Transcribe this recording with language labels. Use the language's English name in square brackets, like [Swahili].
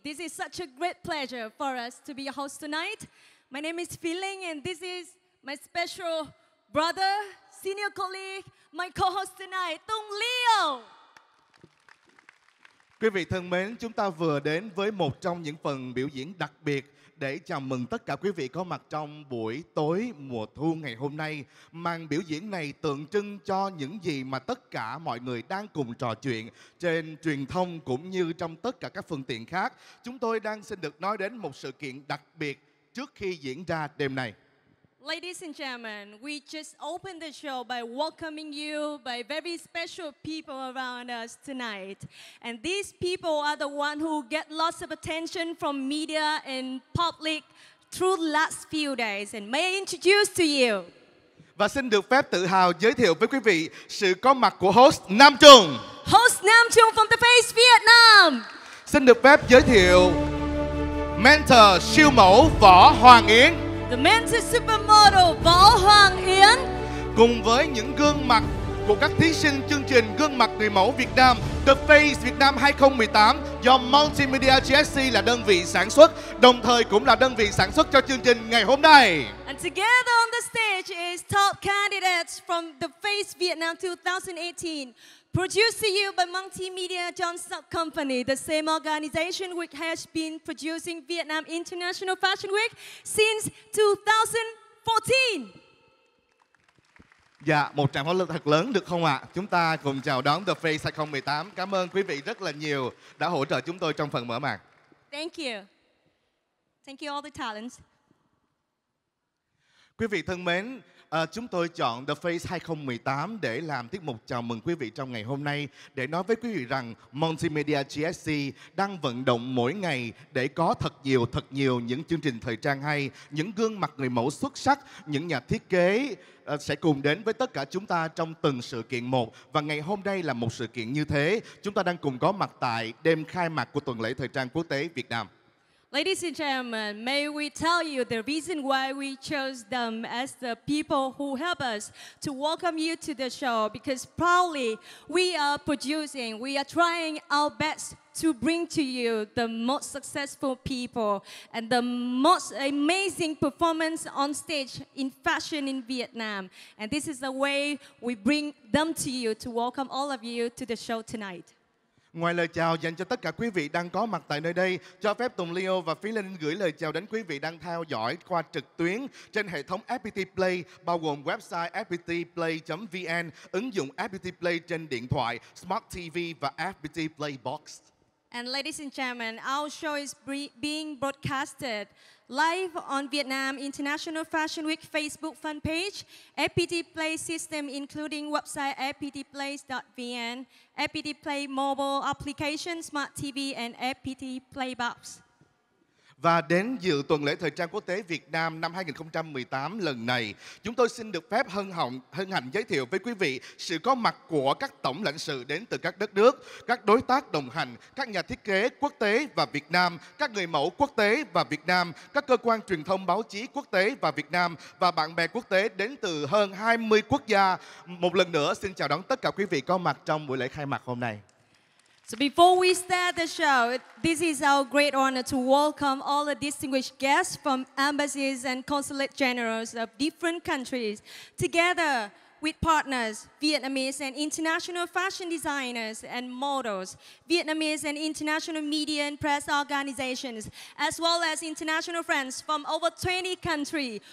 [English] This is such a great pleasure for us to be your host tonight. My name is Phi Linh and this is my special brother, senior colleague, my co-host tonight, Tùng Leo. [Vietnamese] Quý vị thân mến, chúng ta vừa đến với một trong những phần biểu diễn đặc biệt để chào mừng tất cả quý vị có mặt trong buổi tối mùa thu ngày hôm nay. Màn biểu diễn này tượng trưng cho những gì mà tất cả mọi người đang cùng trò chuyện trên truyền thông cũng như trong tất cả các phương tiện khác. Chúng tôi đang xin được nói đến một sự kiện đặc biệt trước khi diễn ra đêm nay. [English] Ladies and gentlemen, we just opened the show by welcoming you by very special people around us tonight. And these people are the ones who get lots of attention from media and public through the last few days. And may I introduce to you. [Vietnamese] Và xin được phép tự hào giới thiệu với quý vị sự có mặt của host Nam Trung. [English] Host Nam Trung from The Face Vietnam. [Vietnamese] Xin được phép giới thiệu mentor siêu mẫu Võ Hoàng Yến. [English] The mentor supermodel Võ Hoàng Yến. [Vietnamese] Cùng với những gương mặt của các thí sinh chương trình gương mặt người mẫu Việt Nam The Face Việt Nam 2018 do Multimedia GSC là đơn vị sản xuất, đồng thời cũng là đơn vị sản xuất cho chương trình ngày hôm nay. [English] And together on the stage is top candidates from The Face Vietnam 2018. Produced to you by Multimedia Johnson Company, the same organization which has been producing Vietnam International Fashion Week since 2014. [Vietnamese] Dạ, một tràng pháo lực thật lớn được không ạ? Chúng ta cùng chào đón The Face 2018. Cảm ơn quý vị rất là nhiều đã hỗ trợ chúng tôi trong phần mở màn. [English] Thank you. Thank you all the talents. [Vietnamese] Quý vị thân mến, chúng tôi chọn The Face 2018 để làm tiết mục chào mừng quý vị trong ngày hôm nay để nói với quý vị rằng Multimedia GSC đang vận động mỗi ngày để có thật nhiều những chương trình thời trang hay, những gương mặt người mẫu xuất sắc, những nhà thiết kế sẽ cùng đến với tất cả chúng ta trong từng sự kiện một. Và ngày hôm nay là một sự kiện như thế. Chúng ta đang cùng có mặt tại đêm khai mạc của tuần lễ thời trang quốc tế Việt Nam. [English] Ladies and gentlemen, may we tell you the reason why we chose them as the people who help us to welcome you to the show, because proudly we are producing, we are trying our best to bring to you the most successful people and the most amazing performance on stage in fashion in Vietnam. And this is the way we bring them to you, to welcome all of you to the show tonight. [Vietnamese] Ngoài lời chào dành cho tất cả quý vị đang có mặt tại nơi đây, cho phép Tùng Leo và Phí Linh gửi lời chào đến quý vị đang theo dõi qua trực tuyến trên hệ thống FPT Play, bao gồm website fptplay.vn, ứng dụng FPT Play trên điện thoại, Smart TV và FPT Play Box. [English] And ladies and gentlemen, our show is being broadcasted live on Vietnam International Fashion Week Facebook fan page, FPT Play system including website fptplay.vn, FPT Play mobile application, Smart TV and FPT Play Box. [Vietnamese] Và đến dự tuần lễ thời trang quốc tế Việt Nam năm 2018 lần này, chúng tôi xin được phép hân hạnh giới thiệu với quý vị sự có mặt của các tổng lãnh sự đến từ các đất nước, các đối tác đồng hành, các nhà thiết kế quốc tế và Việt Nam, các người mẫu quốc tế và Việt Nam, các cơ quan truyền thông báo chí quốc tế và Việt Nam và bạn bè quốc tế đến từ hơn 20 quốc gia. Một lần nữa xin chào đón tất cả quý vị có mặt trong buổi lễ khai mạc hôm nay. [English] So before we start the show, this is our great honor to welcome all the distinguished guests from embassies and consulate generals of different countries, together with partners, Vietnamese and international fashion designers and models, Vietnamese and international media and press organizations, as well as international friends from over 20 countries.